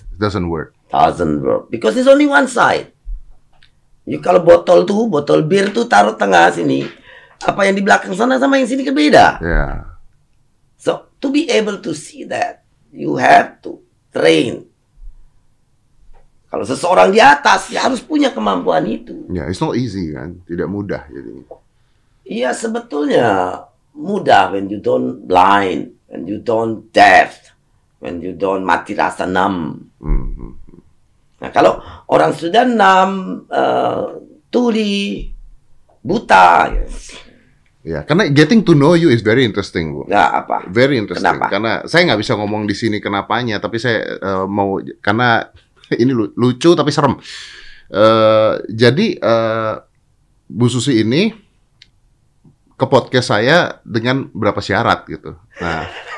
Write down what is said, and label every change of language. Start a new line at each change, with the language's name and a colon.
English: it doesn't work because it's only one side. You
Indonesian: kalau botol tuh, botol bir tuh taruh tengah sini, apa yang di belakang sana sama yang sini kan beda.
English: So to be able to see that, you have to train.
Indonesian: Kalau seseorang di atas, ya harus punya kemampuan itu.
English: Yeah, it's not easy
Indonesian: kan, tidak mudah jadi. Iya, sebetulnya mudah
English: when you don't blind, when you don't deaf, when you don't
Indonesian: mati rasa
English: numb.
Indonesian: Mm-hmm. Nah, kalau orang sudah
English: numb,
Indonesian: tuli, buta. Ya, karena
English: getting to know you is very interesting, Bu.
Indonesian: Nggak apa.
English: Very interesting.
Indonesian: Kenapa? Karena saya nggak bisa ngomong di sini kenapanya, tapi saya mau karena ini lucu tapi serem. Jadi Bu Susi ini ke podcast saya dengan berapa syarat gitu. Nah.